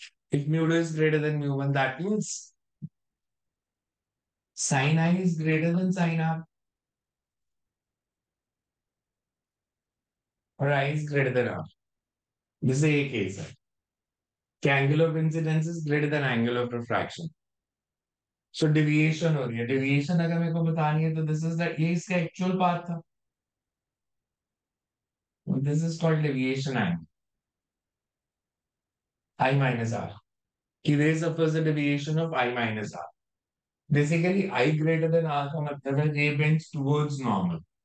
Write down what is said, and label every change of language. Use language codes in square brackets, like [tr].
[en] If mu 2 is greater than mu 1, that means sin I is greater than sin R or I is greater than R. This is a case. The angle of incidence is greater than angle of refraction. [hi] So deviation हो रही है. Deviation अगर मेरे को बतानी है तो [en] this is the [hi] ये इसका actual path था. [en] This is called deviation angle. I minus R. कि there is suppose a deviation of I minus R. Basically I greater than R [hi] का मतलब है [en] ray bends towards normal.